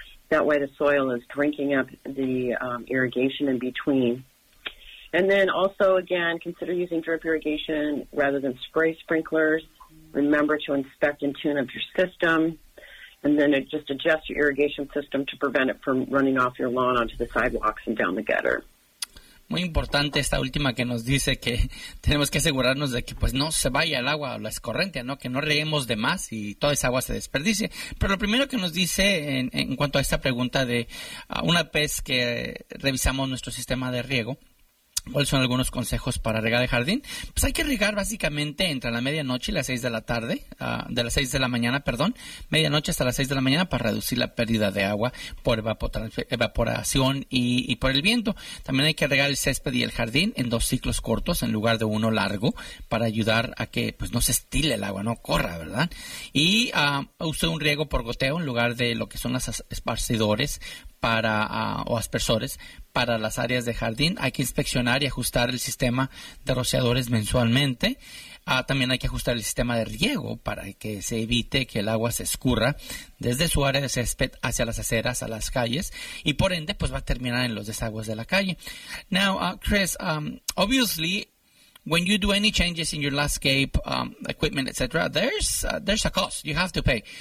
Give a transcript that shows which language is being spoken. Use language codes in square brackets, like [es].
[en] That way the soil is drinking up the irrigation in between. And then also, again, consider using drip irrigation rather than spray sprinklers. Remember to inspect and tune up your system. And then just adjust your irrigation system to prevent it from running off your lawn onto the sidewalks and down the gutter. [es] Muy importante esta última que nos dice que tenemos que asegurarnos de que pues no se vaya el agua o la escorrente, ¿no? Que no reguemos de más y toda esa agua se desperdicie. Pero lo primero que nos dice en cuanto a esta pregunta de una vez que revisamos nuestro sistema de riego, ¿cuáles son algunos consejos para regar el jardín? Pues hay que regar básicamente entre la medianoche y las 6 de la tarde, de las 6 de la mañana, perdón, medianoche hasta las 6 de la mañana para reducir la pérdida de agua por evaporación y por el viento. También hay que regar el césped y el jardín en dos ciclos cortos en lugar de uno largo para ayudar a que pues no se estile el agua, no corra, ¿verdad? Y use un riego por goteo en lugar de lo que son las esparcidores para o aspersores. Para las áreas de jardín hay que inspeccionar y ajustar el sistema de rociadores mensualmente. También hay que ajustar el sistema de riego para que se evite que el agua se escurra desde su área de césped hacia las aceras, a las calles, y por ende pues va a terminar en los desagües de la calle. [en] Now, Chris, obviously, when you do any changes in your landscape equipment, etc., there's a cost you have to pay.